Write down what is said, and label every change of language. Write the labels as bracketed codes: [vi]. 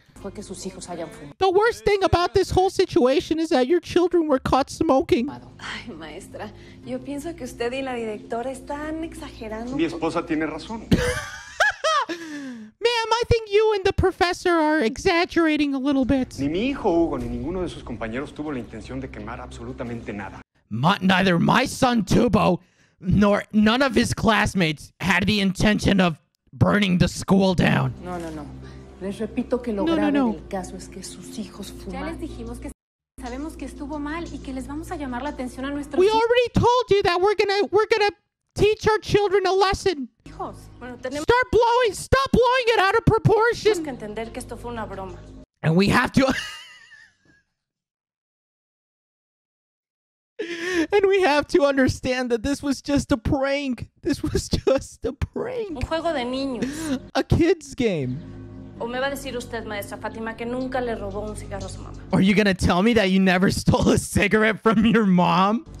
[en] The worst thing about this whole situation is that your children were caught smoking. [es] Ay, maestra, yo pienso que usted y la directora están exagerando. Mi esposa tiene razón. [en] Ma'am, I think you and the professor are exaggerating a little bit. [es] Ni mi hijo Hugo ni ninguno de sus compañeros tuvo la intención de quemar absolutamente nada. [en] Neither my son Tubo nor none of his classmates had the intention of burning the school down. [es] No. Les repito que lo grave del caso es que sus hijos fumaron. Ya les dijimos que sabemos que estuvo mal y que les vamos a llamar la atención a nuestros hijos. [en] We already told you that we're gonna teach our children a lesson. [es] Hijos, bueno, tenemos... [en] Stop blowing it out of proportion. [es] Tenemos que entender que esto fue una broma. [en] And we have to... And we have to understand that this was just a prank. This was just a prank. [es] Un juego de niños. [en] A kid's game. [es] ¿O me va a decir usted, maestra Fátima, que nunca le robó un cigarro a su mamá? [en] Are you gonna tell me that you never stole a cigarette from your mom?